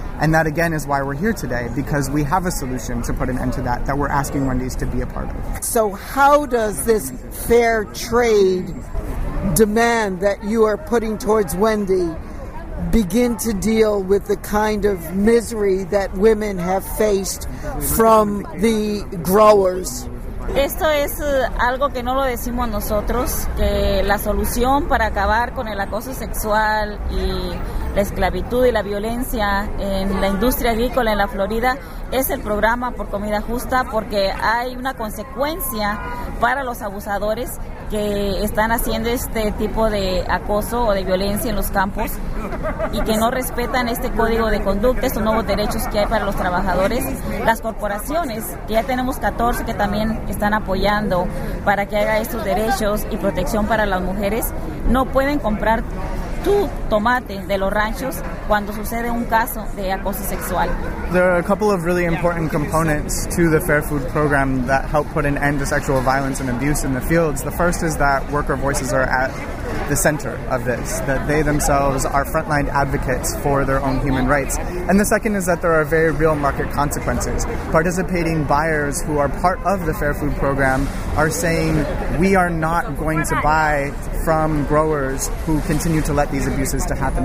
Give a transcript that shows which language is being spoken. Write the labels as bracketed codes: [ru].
[en] And that, again, is why we're here today, because we have a solution to put an end to that, that we're asking Wendy's to be a part of. So how does this fair trade demand that you are putting towards Wendy begin to deal with the kind of misery that women have faced from the growers? [es] Esto es algo que no lo decimos nosotros, que la solución para acabar con el acoso sexual y la esclavitud y la violencia en la industria agrícola en la Florida es el programa Por Comida Justa, porque hay una consecuencia para los abusadores que están haciendo este tipo de acoso o de violencia en los campos y que no respetan este código de conducta, estos nuevos derechos que hay para los trabajadores. Las corporaciones, que ya tenemos 14 que también están apoyando para que haya estos derechos y protección para las mujeres, no pueden comprar tu tomate de los ranchos cuando sucede un caso de acoso sexual. [en] There are a couple of really important components to the Fair Food Program that help put an end to sexual violence and abuse in the fields. The first is that worker voices are at the center of this, that they themselves are frontline advocates for their own human rights. And the second is that there are very real market consequences. Participating buyers who are part of the Fair Food Program are saying, we are not going to buy from growers who continue to let these abuses to happen.